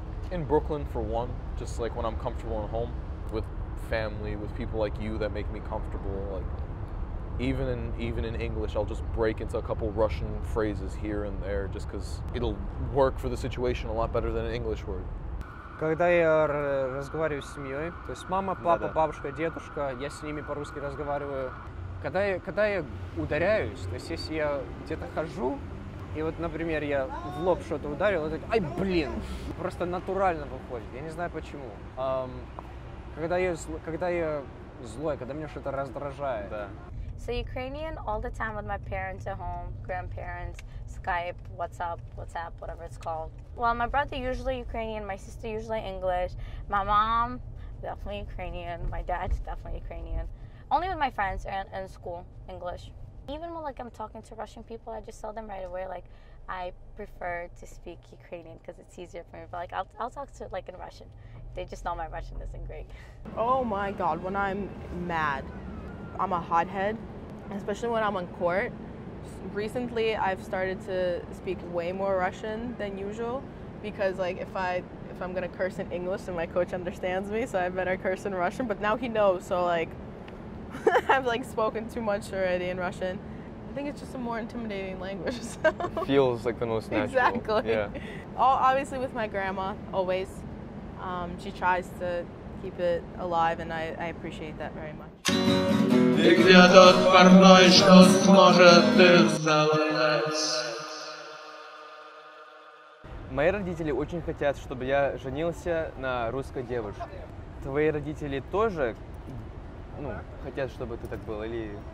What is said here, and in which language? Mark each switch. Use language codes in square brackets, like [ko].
[en] In Brooklyn, for one, just like when I'm comfortable at home with family, with people like you that make me comfortable, like Even in English, I'll just break into a couple Russian phrases here and there just because it'll work for the situation a lot better than an English word. [ru] Когда я разговариваю с семьей, то есть мама, папа, бабушка, дедушка, я с ними по-русски разговариваю. Когда я ударяюсь, то есть если я где-то хожу, и вот, например, я в лоб что-то ударил, это ай, блин, просто натурально выходит. Я не знаю почему. Когда я злой, когда меня что-то раздражает. Да. [en] So Ukrainian all the time with my parents at home, grandparents, Skype, WhatsApp, whatever it's called. Well, my brother usually Ukrainian, my sister usually English, my mom definitely Ukrainian, my dad definitely Ukrainian. Only with my friends and in school, English. Even when like I'm talking to Russian people, I just tell them right away like I prefer to speak Ukrainian because it's easier for me. But like I'll talk to like in Russian. They just know my Russian isn't great. Oh my God, when I'm mad. I'm a hothead, especially when I'm on court. Recently, I've started to speak way more Russian than usual because like if I'm going to curse in English, then my coach understands me, so I better curse in Russian. But now he knows, so like I've like spoken too much already in Russian. I think it's just a more intimidating language. So. Feels like the most natural. Exactly. Yeah. Obviously with my grandma, always. She tries to keep it alive, and I appreciate that very much. [ru] И где тот парной, что сможет ты завалять? Мои родители очень хотят, чтобы я женился на русской девушке. Твои родители тоже, ну, хотят, чтобы ты так был, или...